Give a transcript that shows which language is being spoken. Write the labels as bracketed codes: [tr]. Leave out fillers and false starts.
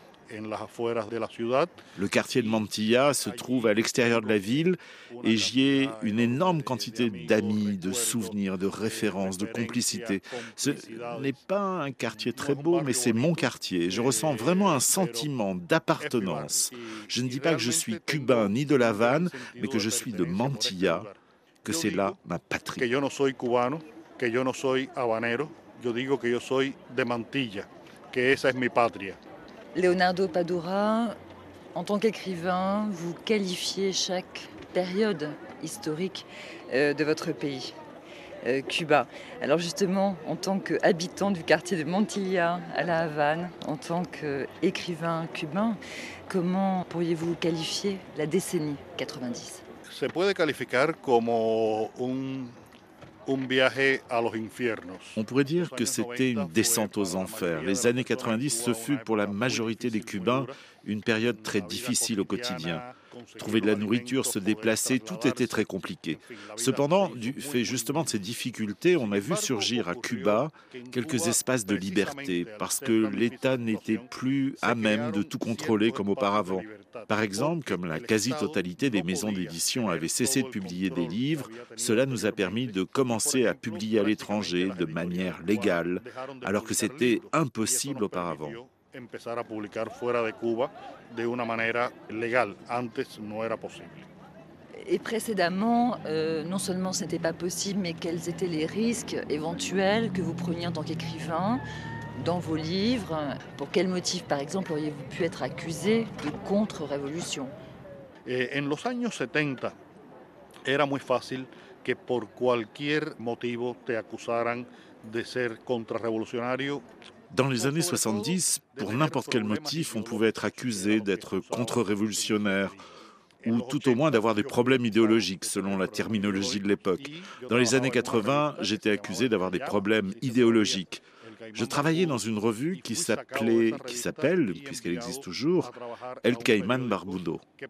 [fr] Le quartier de Mantilla se trouve à l'extérieur de la ville et j'y ai une énorme quantité d'amis, de souvenirs, de références, de complicité. Ce n'est pas un quartier très beau, mais c'est mon quartier. Je ressens vraiment un sentiment d'appartenance. Je ne dis pas que je suis cubain ni de La Havane, mais que je suis de Mantilla, que c'est là ma patrie. [es] Que yo no soy cubano, que yo no soy habanero, yo digo que yo soy de Mantilla, que esa es mi patria. [fr] Leonardo Padura, en tant qu'écrivain, vous qualifiez chaque période historique de votre pays, Cuba. Alors justement, en tant qu'habitant du quartier de Mantilla à La Havane, en tant qu'écrivain cubain, comment pourriez-vous qualifier la décennie 90 ? [es] Se puede calificar como un viaje a los infiernos. [fr] On pourrait dire que c'était une descente aux enfers. Les années 90, ce fut pour la majorité des Cubains une période très difficile au quotidien. Trouver de la nourriture, se déplacer, tout était très compliqué. Cependant, du fait justement de ces difficultés, on a vu surgir à Cuba quelques espaces de liberté, parce que l'État n'était plus à même de tout contrôler comme auparavant. Par exemple, comme la quasi-totalité des maisons d'édition avait cessé de publier des livres, cela nous a permis de commencer à publier à l'étranger de manière légale, alors que c'était impossible auparavant. [es] Empezar a publicar fuera de Cuba de una manera legal. Antes no era posible. [fr] Et précédemment, non seulement ce n'était pas possible, mais quels étaient les risques éventuels que vous preniez en tant qu'écrivain dans vos livres? Pour quel motif, par exemple, auriez-vous pu être accusé de contre-révolution? [es] En los años 70, era muy fácil que por cualquier motivo te acusaran de ser [fr] contre-révolutionnaire. Dans les années 70, pour n'importe quel motif, on pouvait être accusé d'être contre-révolutionnaire ou tout au moins d'avoir des problèmes idéologiques, selon la terminologie de l'époque. Dans les années 80, j'étais accusé d'avoir des problèmes idéologiques. Je travaillais dans une revue qui s'appelle, puisqu'elle existe toujours, El Caimán Barbudo.